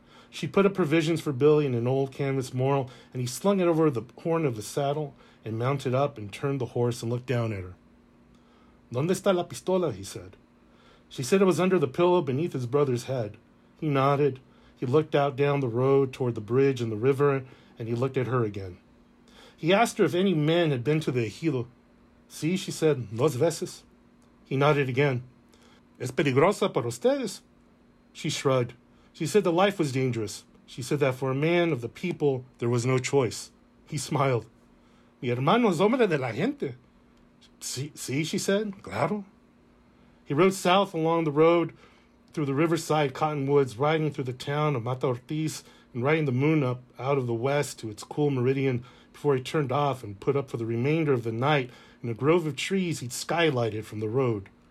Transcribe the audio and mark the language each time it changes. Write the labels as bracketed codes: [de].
[en] She put up provisions for Billy in an old canvas morral, and he slung it over the horn of the saddle and mounted up and turned the horse and looked down at her. [es] 'Donde está la pistola?' [en] he said. She said it was under the pillow beneath his brother's head. He nodded. He looked out down the road toward the bridge and the river, and he looked at her again. He asked her if any men had been to the ejido. [es] Sí, [en] she said, [es] dos veces. He nodded again. Es peligrosa para ustedes. [en] She shrugged. She said the life was dangerous. She said that for a man of the people, there was no choice. He smiled. [es] Mi hermano es hombre de la gente. Sí, [en] she said, [es] claro. [en] He rode south along the road through the riverside cottonwoods, riding through the town of Mata Ortiz and riding the moon up out of the west to its cool meridian before he turned off and put up for the remainder of the night in a grove of trees he'd skylighted from the road.